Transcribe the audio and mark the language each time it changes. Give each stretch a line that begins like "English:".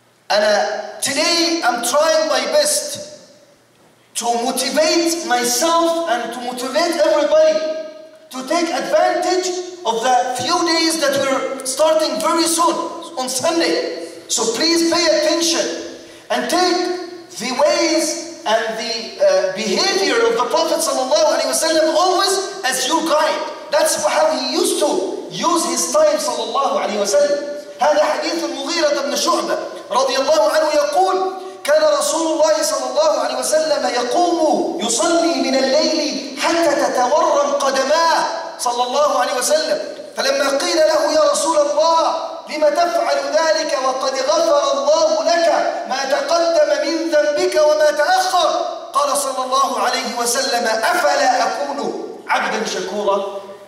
Arabic: أنا
English: today I'm trying my best to motivate myself and to motivate everybody to take advantage of the few days that we're starting very soon on Sunday. So please pay attention and take the ways and the behavior of the Prophet sallallahu alaihi wasallam always as your guide. That's how he used to use his time sallallahu alaihi wasallam.
Arabic: هذا حديث المغيرة بن شعبة رضي الله عنه يقول كان رسول الله صلى الله عليه وسلم يقوم يصلي من الليل حتى تتورم قدماه صلى الله عليه وسلم فلما قيل له يا رسول الله لما تفعل ذلك وقد غفر الله لك ما تقدم من ذنبك وما تأخر قال صلى الله عليه وسلم أفلا أكون عبدا شكورا